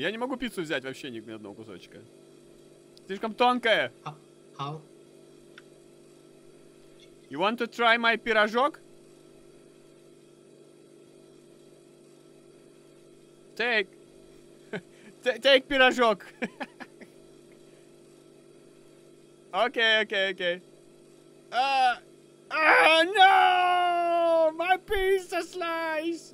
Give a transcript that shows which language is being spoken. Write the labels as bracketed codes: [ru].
[ru] Я не могу пиццу взять вообще ни одного кусочка. Слишком тонкая. [en] How? You want to try my пирожок? Take пирожок. [ru] Окей. [en] No! My pizza slice!